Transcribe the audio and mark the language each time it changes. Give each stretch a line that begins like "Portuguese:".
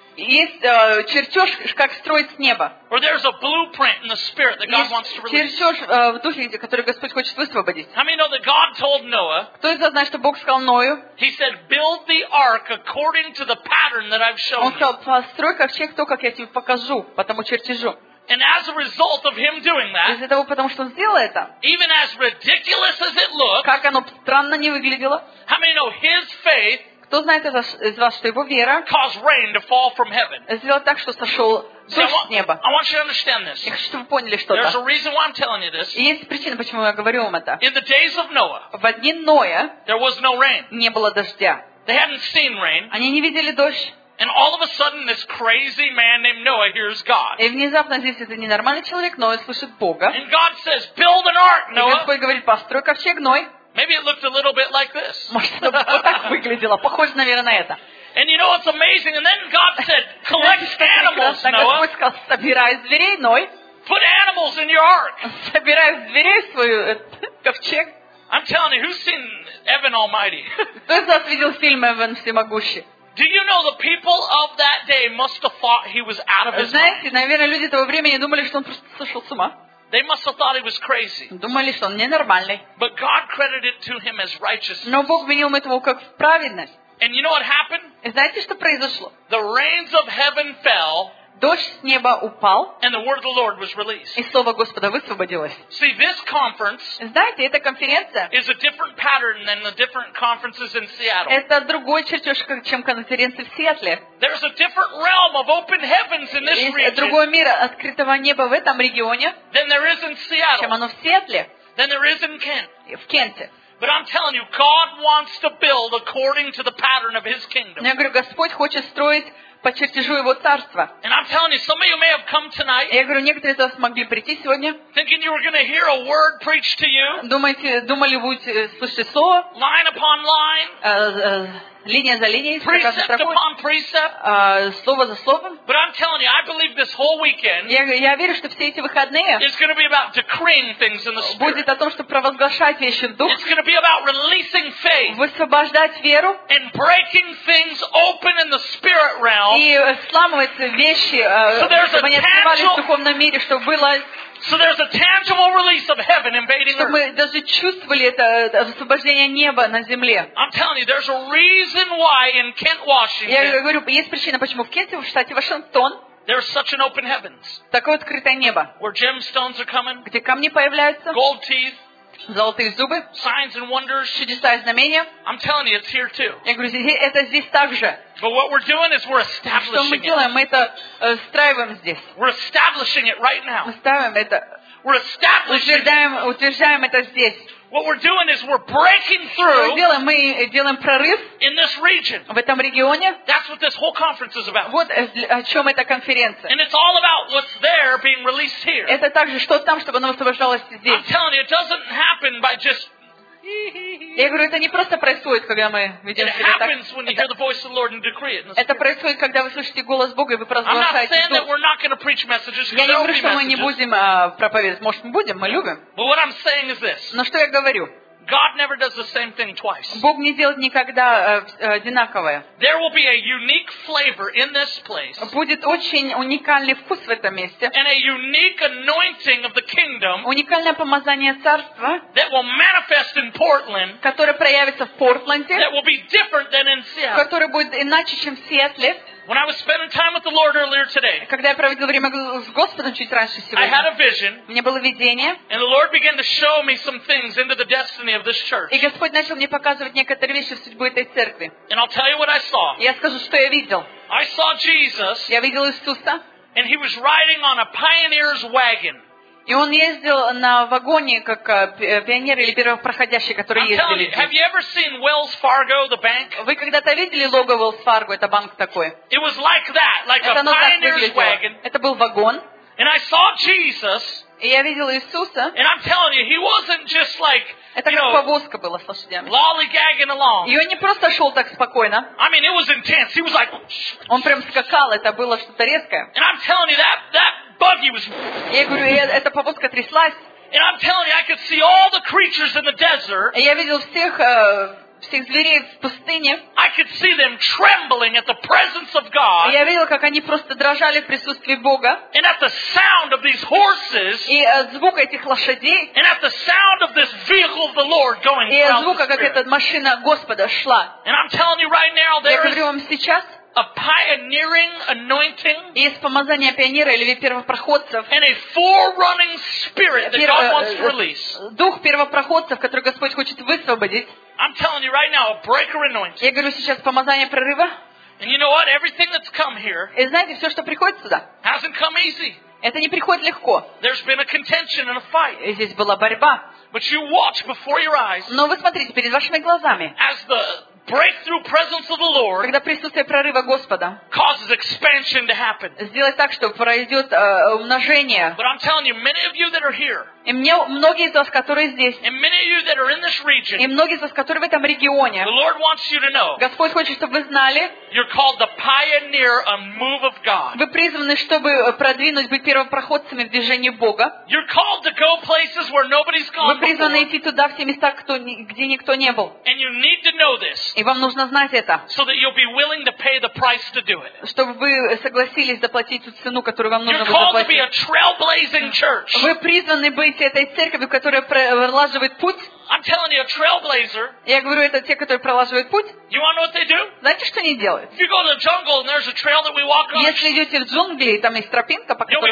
Russian: Есть чертеж, как строить с неба. Есть чертеж в духе, который Господь хочет высвободить. Кто из вас знает, что Бог сказал Ною? Он сказал, построй ковчег то, как я тебе покажу, по тому чертежу.
English: And as a result of him doing that,
Russian: из-за того, потому что он сделал это,
English: even as ridiculous as it looked,
Russian: как оно странно не выглядело,
English: how many know his faith,
Russian: кто знает из вас, что его вера,
English: caused rain to fall from heaven,
Russian: сделал так, что сошел дождь с неба.
English: I want you to understand this.
Russian: Я хочу, чтобы вы поняли что-то.
English: There's a reason why I'm telling you this.
Russian: И есть причина, почему я говорю вам это.
English: In the days of Noah,
Russian: в дни Ноя,
English: there was no rain.
Russian: Не было дождя.
English: They hadn't seen rain.
Russian: Они не видели дождь.
English: And all of a sudden, this crazy man named Noah hears God.
Russian: И внезапно здесь это ненормальный человек, Ной слышит Бога.
English: And God says, "Build an ark, Noah."
Russian: И Господь говорит, построй ковчег, Ной.
English: Maybe it looked a little bit like this.
Russian: Может, это вот так выглядело, похоже, наверное, на это.
English: And you know what's amazing? And then God said, "Collect animals, Noah."
Russian: Господь сказал, собирай зверей, Ной.
English: Put animals in your ark.
Russian: Собирай зверей в свой ковчег.
English: I'm telling you, who's seen Evan Almighty?
Russian: Кто из вас видел фильм Эван Всемогущий?
English: Do you know the people of that day must have thought he was out of his mind?
Russian: Знаете, наверное, люди того времени думали, что он просто сошел с ума.
English: They must have thought he was crazy.
Russian: Думали, что он ненормальный.
English: But God credited to him as righteousness.
Russian: Но Бог винил этого как в праведность.
English: And you know what happened?
Russian: И знаете, что произошло?
English: The rains of heaven fell.
Russian: Дождь с неба упал.
English: And the word of the Lord was released.
Russian: И слово Господа высвободилось.
English: See, this conference,
Russian: знаете, эта конференция,
English: is a different pattern than the different conferences in Seattle.
Russian: Это другой чертеж, чем конференции в Сиэтле.
English: There's a different realm of open heavens in this region.
Russian: Есть другой мир открытого неба в этом регионе,
English: than there is in Seattle.
Russian: Чем оно в Сиэтле.
English: Than there is in Kent.
Russian: И в Кенте.
English: But I'm telling you, God wants to build according to the pattern of His kingdom.
Russian: Я говорю, Господь хочет строить по чертежу Его царства.
English: And I'm telling you, some of you may have come tonight.
Russian: Я говорю, некоторые из вас могли прийти сегодня.
English: Thinking you were going to hear a word preached to you.
Russian: Думали, вы будете слышать слово.
English: Line upon line.
Russian: Линия за линией.
English: Precept upon precept.
Russian: Слово за словом.
English: But I'm telling you, I believe this whole weekend.
Russian: Я верю, что все эти выходные.
English: It's going to be about decreeing things in the spirit.
Russian: Будет о том, чтобы провозглашать вещи в духе.
English: It's going to be about releasing faith.
Russian: Высвобождать веру.
English: And breaking things open in the spirit realm.
Russian: И сломывать вещи, чтобы они открывались в духовном мире, чтобы было.
English: So there's a tangible release of heaven invading earth.
Russian: Мы даже чувствовали это освобождение неба на земле.
English: I'm telling you, there's a reason why in Kent, Washington.
Russian: Я говорю, есть причина, почему в Кенте, в штате Вашингтон.
English: There's such an open heavens.
Russian: Такое открытое небо.
English: Where gemstones are coming.
Russian: Где камни появляются.
English: Gold teeth.
Russian: Золотые зубы.
English: Signs and wonders.
Russian: Чудеса и знамения.
English: I'm telling you, it's here too.
Russian: Я говорю, это здесь также.
English: But what we're doing is we're establishing it.
Russian: Что мы делаем? Мы это устраиваем здесь.
English: We're establishing it right now.
Russian: Мы ставим это.
English: We're establishing it.
Russian: Утверждаем это здесь.
English: What we're doing is we're breaking through.
Russian: Что мы делаем прорыв.
English: In this region.
Russian: В этом регионе.
English: That's what this whole conference is about.
Russian: Вот о чем эта конференция.
English: And it's all about what's there being released here.
Russian: Это также что там, чтобы оно освобождалось здесь.
English: I'm telling you, it doesn't happen by just.
Russian: Я говорю, это не просто происходит, когда мы ведем себя так. Это происходит, когда вы слышите голос Бога и вы провозглашаете Дух. Я не говорю, что мы не будем проповедовать. Может, мы будем, мы любим. Но что я говорю?
English: God never does the same thing twice.
Russian: Бог не делает никогда одинаковое.
English: There will be a unique flavor in this place.
Russian: Будет очень уникальный вкус в этом месте.
English: And a unique anointing of the kingdom.
Russian: Уникальное помазание царства.
English: That will manifest in Portland.
Russian: Которое проявится в Портленде.
English: That will be different than in Seattle.
Russian: Которое будет иначе, чем в Сиэтле.
English: When I was spending time with the Lord earlier today,
Russian: когда я проводил время с Господом чуть раньше сегодня,
English: I had a vision.
Russian: У меня было видение.
English: And the Lord began to show me some things into the destiny of this church.
Russian: И Господь начал мне показывать некоторые вещи в судьбу этой церкви.
English: And I'll tell you what I saw.
Russian: Я скажу, что я видел.
English: I saw Jesus.
Russian: Я видел Иисуса.
English: And he was riding on a pioneer's wagon.
Russian: И он ездил на вагоне, как пионер или первопроходящий, который ездили.
English: Have you ever seen Wells Fargo, the bank?
Russian: Вы когда-то видели лого Wells Fargo, это банк такой?
English: It was like that, like a pioneer's wagon.
Russian: Это был вагон.
English: And I saw Jesus.
Russian: И я видел Иисуса.
English: And I'm telling you, he wasn't just like,
Russian: это как повозка была с лошадями.
English: Lollygagging along.
Russian: И он не просто шел так спокойно.
English: I mean, it was intense. He was like.
Russian: Он прям скакал, это было что-то резкое.
English: And I'm telling you that.
Russian: Я говорю, эта повозка тряслась.
English: And I'm telling you, I could see all the creatures in the desert.
Russian: Я видел всех всех зверей в пустыне.
English: I could see them trembling at the presence of God.
Russian: Я видел, как они просто дрожали в присутствии Бога.
English: And at the sound of these horses.
Russian: И звук этих лошадей.
English: And at the sound of this vehicle of the Lord going through.
Russian: И звука, как эта машина Господа шла.
English: And I'm telling you right now, there is.
Russian: Я говорю вам сейчас.
English: A pioneering anointing.
Russian: Есть помазание пионера или первопроходцев.
English: And a forerunning spirit that God wants to release.
Russian: Дух первопроходцев, который Господь хочет высвободить.
English: I'm telling you right now, a breaker anointing.
Russian: Я говорю сейчас помазание прорыва.
English: And you know what? Everything that's come here.
Russian: И знаете, все, что приходит сюда.
English: Hasn't come easy.
Russian: Это не приходит легко.
English: There's been a contention and a fight.
Russian: И здесь была борьба.
English: But you watch before your eyes.
Russian: Но вы смотрите перед вашими глазами.
English: As the breakthrough presence of the Lord.
Russian: Когда присутствие прорыва Господа.
English: Causes expansion to happen.
Russian: Сделать так, чтобы произойдет умножение.
English: But I'm telling you, many of you that are here.
Russian: И мне многие из вас, которые здесь.
English: And many of you that are in this region.
Russian: И многие из вас, которые в этом регионе.
English: The Lord wants you to know.
Russian: Господь хочет, чтобы вы знали.
English: You're called to pioneer a move of God.
Russian: Вы призваны, чтобы продвинуть, быть первопроходцами в движении Бога.
English: You're called to go places where nobody's gone.
Russian: Вы призваны идти туда, в те места, где никто не был.
English: And you need to know this.
Russian: И вам нужно знать это.
English: So that you'll be willing to pay the price to do it.
Russian: Чтобы вы согласились заплатить ту цену, которую вам нужно заплатить.
English: You're called to be a trailblazing church.
Russian: Вы призваны быть этой церковью, которая пролаживает путь.
English: I'm telling you, a trailblazer.
Russian: Я говорю, это те, которые пролаживают путь.
English: You want to know what they do?
Russian: Знаете, что они делают?
English: If you go to the jungle and there's a trail that we walk on.
Russian: Если идете в джунгли, и там есть тропинка, по которой